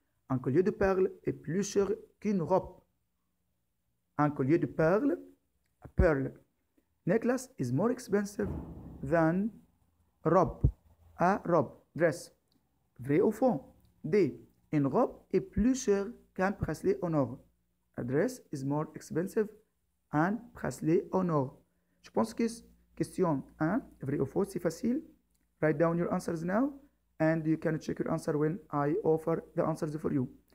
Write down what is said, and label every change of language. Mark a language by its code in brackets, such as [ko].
[fr] Un collier de perles est plus cher qu'une robe. Un collier de perles, [en] a pearl necklace is more expensive than robe, a robe, dress. [fr] Vrai ou faux? [en] D. [fr] Une robe est plus chère qu'un bracelet en or. [en] A dress is more expensive than [fr] un bracelet en or. Je pense que question 1, vrai ou faux, c'est facile. [en] Write down your answers now, and you can check your answer when I offer the answers for you.